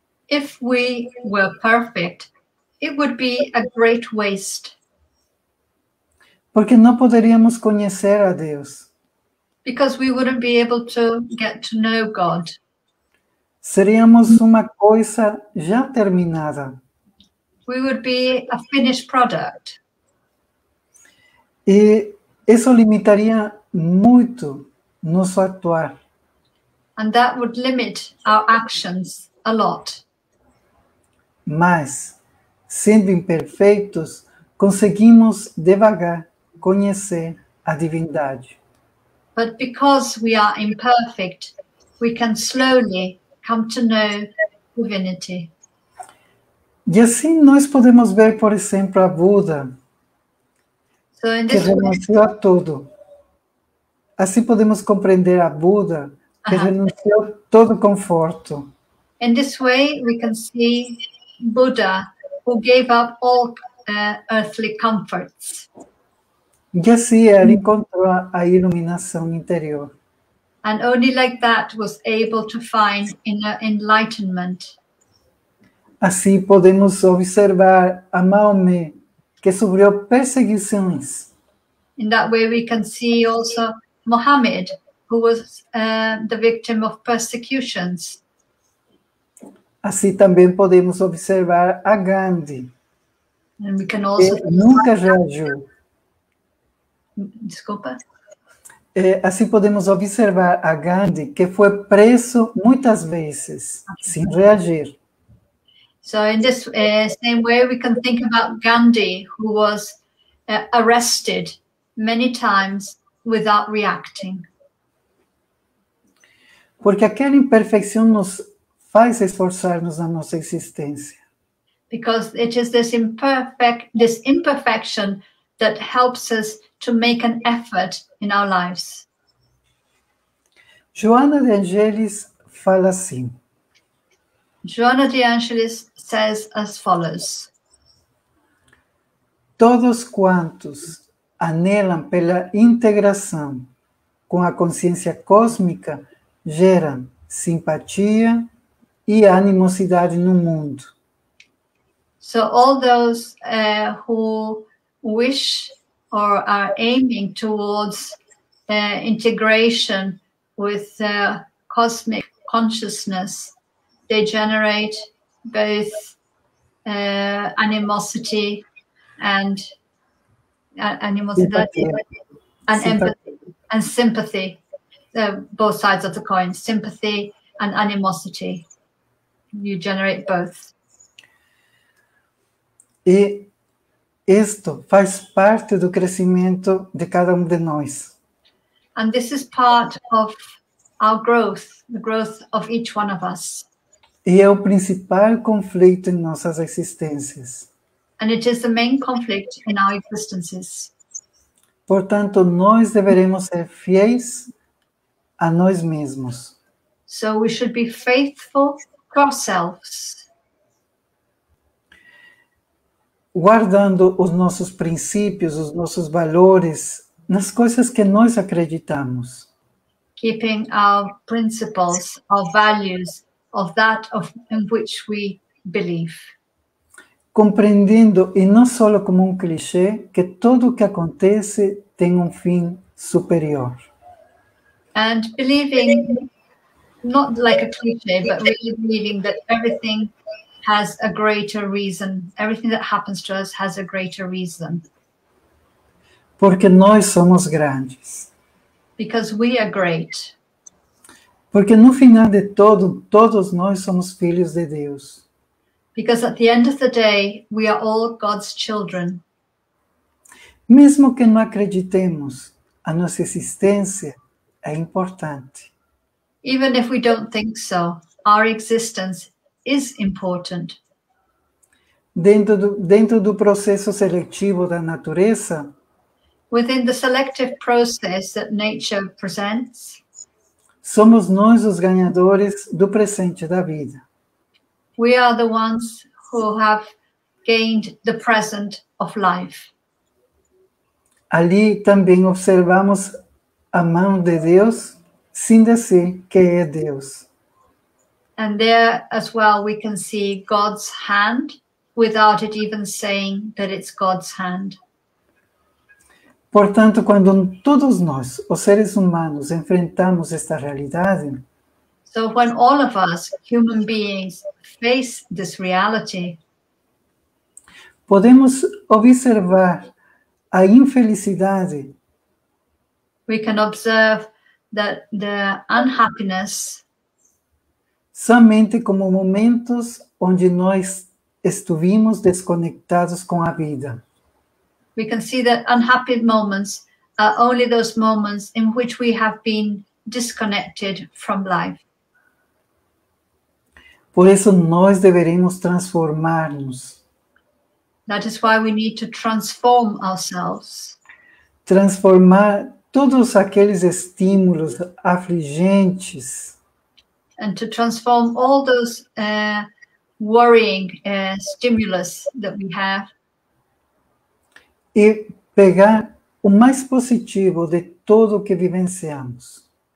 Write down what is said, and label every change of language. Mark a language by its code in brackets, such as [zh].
[en] If we were perfect, it would be a great waste. [pt] Porque não poderíamos conhecer a Deus. [en] Because we wouldn't be able to get to know God. [pt] Seríamos uma coisa já terminada. [en] We would be a finished product. [pt] E isso limitaria muito nosso atuar. [en] And that would limit our actions a lot. [pt] Mas, sendo imperfeitos, conseguimos devagar conhecer a divindade. [en] But because we are imperfect, we can slowly come to know divinity. [pt] E assim nós podemos ver, por exemplo, a Buda, [en] so in [pt] que renunciou a tudo. Assim podemos compreender a Buda, que renunciou todo conforto. [en] In this way, we can see Buddha, who gave up all earthly comforts. [pt] E assim ele encontrou a iluminação interior. [en] And only like that was able to find inner enlightenment. [pt] Assim podemos observar a Maomé, que sofreu perseguições. [en] In that way we can see also Muhammad, who was the victim of persecutions. [pt] Assim também podemos observar a Gandhi, [en] and we can also que [pt] nunca reagiu. Desculpa. Assim podemos observar a Gandhi, que foi preso muitas vezes, sem reagir. [en] So in this same way, we can think about Gandhi, who was arrested many times without reacting. [pt] Porque aquela imperfeição nos faz esforçar-nos na nossa existência. [en] Because it is this imperfection that helps us to make an effort in our lives. [pt] Joana de Angelis fala assim. [en] Joana de Angelis says as follows. [pt] Todos quantos anelam pela integração com a consciência cósmica geram simpatia e animosidade no mundo. [en] So all those who wish or are aiming towards integration with cosmic consciousness, they generate both animosity and [pt] animosidade [en] and empathy and sympathy, both sides of the coin, sympathy and animosity. You generate both. [pt] E isto faz parte do crescimento de cada de nós. [en] And this is part of our growth, the growth of each one of us. [pt] E é o principal conflito em nossas existências. [en] And it is the main conflict in our existences. [pt] Portanto, nós deveremos ser fiéis a nós mesmos. [en] So we should be faithful ourselves. [pt] Guardando os nossos princípios, os nossos valores, nas coisas que nós acreditamos. [en] Keeping our principles, our values, of that of, in which we believe. [pt] Compreendendo, e não só como clichê, que tudo o que acontece tem fim superior. [en] And believing, not like a cliche, but really believing that everything has a greater reason. Everything that happens to us has a greater reason. [pt] Porque nós somos grandes. [en] Because we are great. [pt] Porque no final de todo, todos nós somos filhos de Deus. [en] Because at the end of the day, we are all God's children. [pt] Mesmo que não acreditemos, a nossa existência é importante. [en] Even if we don't think so, our existence is important. [pt] Dentro do processo seletivo da natureza, [en] within the selective process that nature presents. [pt] Somos nós os ganhadores do presente da vida. [en] We are the ones who have gained the present of life. [pt] Ali também observamos a mão de Deus, sinta-se que é Deus. [en] And there as well we can see God's hand without it even saying that it's God's hand. [pt] Portanto, quando todos nós, os seres humanos, enfrentamos esta realidade, [en] so when all of us, human beings, face this reality, [pt] podemos observar a infelicidade. [en] We can observe that the unhappiness [pt] somente como momentos onde nós estivemos desconectados com a vida. [en] We can see that unhappy moments are only those moments in which we have been disconnected from life. [pt] Por isso nós deveríamos transformar-nos. [en] That is why we need to transform ourselves. [pt] Transformar todos aqueles estímulos afligentes. [en] And to transform all those worrying stimulus that we have. [pt] E pegar o mais positivo de tudo o que vivenciamos.